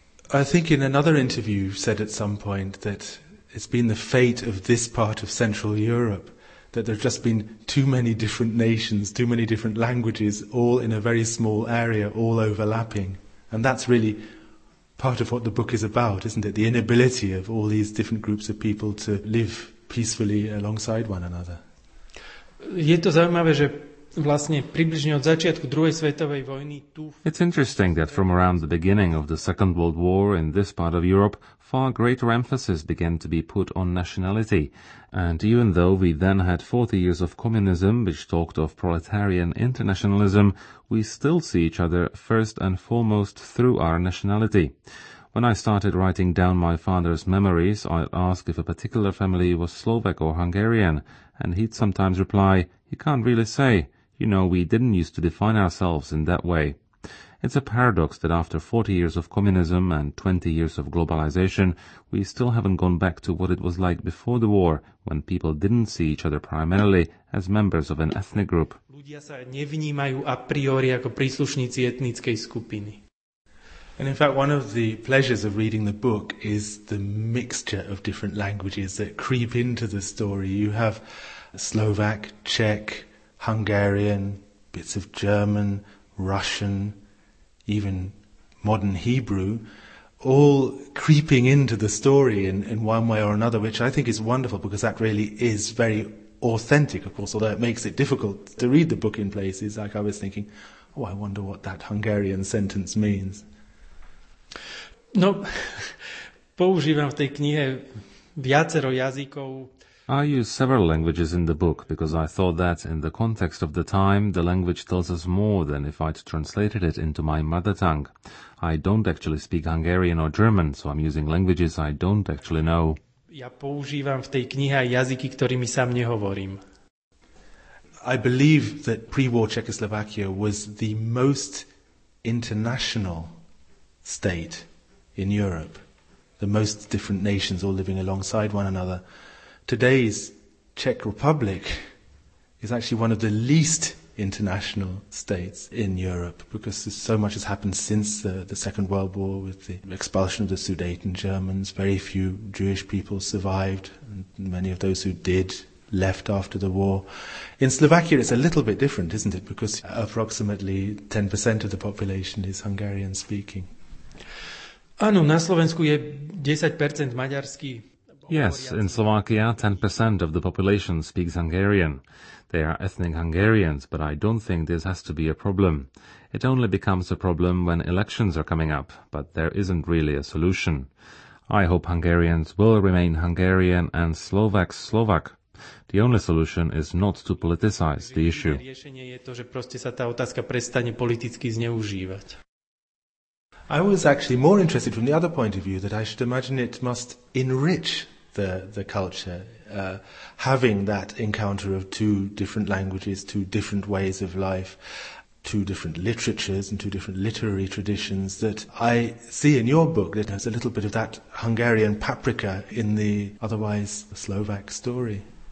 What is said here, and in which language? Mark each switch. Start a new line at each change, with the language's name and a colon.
English: I think in another interview you've said at some point that it's been the fate of this part of Central Europe, that there have just been too many different nations, too many different languages, all in a very small area, all overlapping. And that's really part of what the book is about, isn't it? The inability of all these different groups of people to live peacefully alongside one another.
Slovak: Je to zaujímavé, že vlastne približne od začiatku druhej svetovej vojny tu.
English: It's interesting that from around the beginning of the Second World War in this part of Europe, far greater emphasis began to be put on nationality. And even though we then had 40 years of communism, which talked of proletarian internationalism, we still see each other first and foremost through our nationality. When I started writing down my father's memories, I'd ask if a particular family was Slovak or Hungarian, and he'd sometimes reply, "You can't really say. You know, we didn't used to define ourselves in that way." It's a paradox that after 40 years of communism and 20 years of globalization, we still haven't gone back to what it was like before the war, when people didn't see each other primarily as members of an ethnic group.
Slovak: Ľudia sa nevnímajú a priori ako príslušníci etnickej skupiny.
English: And in fact, one of the pleasures of reading the book is the mixture of different languages that creep into the story. You have Slovak, Czech, Hungarian, bits of German, Russian, even modern Hebrew, all creeping into the story in one way or another, which I think is wonderful because that really is very authentic, of course, although it makes it difficult to read the book in places. Like I was thinking, oh, I wonder what that Hungarian sentence means.
Slovak: No, používam v tej knihe viacero jazykov.
English: I use several languages in the book because I thought that, in the context of the time, the language tells us more than if I'd translated it into my mother tongue. I don't actually speak Hungarian or German, so I'm using languages I don't actually know.
Slovak: Ja používam v tej knihe aj jazyky, ktorými sám nehovorím.
English: I believe that pre-war Czechoslovakia was the most international state in Europe, the most different nations all living alongside one another. Today's Czech Republic is actually one of the least international states in Europe because so much has happened since the Second World War with the expulsion of the Sudeten Germans. Very few Jewish people survived, and many of those who did left after the war. In Slovakia, it's a little bit different, isn't it? Because approximately 10% of the population is Hungarian-speaking.
Slovak: Áno, na Slovensku je 10% maďarský.
English: Yes, in Slovakia, 10% of the population speaks Hungarian. They are ethnic Hungarians, but I don't think this has to be a problem. It only becomes a problem when elections are coming up, but there isn't really a solution. I hope Hungarians will remain Hungarian and Slovaks Slovak. The only solution is not to politicize the issue.
Slovak: Riešenie je to, že proste sa tá otázka prestane politicky zneužívať.
English: I was actually more interested from the other point of view, that I should imagine it must enrich the culture, having that encounter of two different languages, two different ways of life, two different literatures and two different literary traditions, that I see in your book that there's a little bit of that Hungarian paprika in the otherwise Slovak story.